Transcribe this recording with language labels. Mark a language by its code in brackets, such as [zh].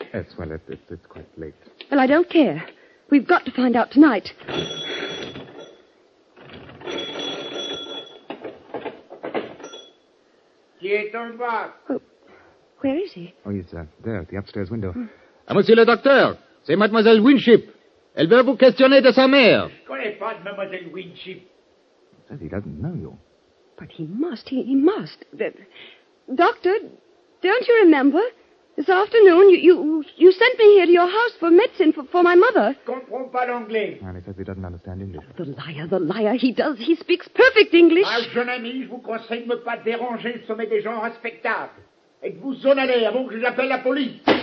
[en] Yes, well, it's quite late. Well, I don't care. We've got to find out tonight. [fr] Qui est en bas? [en] Oh, where is he? Oh, he's there at the upstairs window. [fr] Ah, monsieur le docteur, c'est Mademoiselle Winship. Elle veut vous questionner de sa mère. Je connais pas de Mademoiselle Winship. [en] Said he doesn't know you. But he must, he must. Doctor, don't you remember? This afternoon, you sent me here to your house for medicine for my mother. [fr] Comprends pas l'anglais. [en] And he says he doesn't understand English. Oh, the liar, the liar. He does. He speaks perfect English. [fr] Ah, jeune ami, je vous conseille de ne pas déranger le sommet des gens respectables. Et que vous en allez avant que j'appelle la police.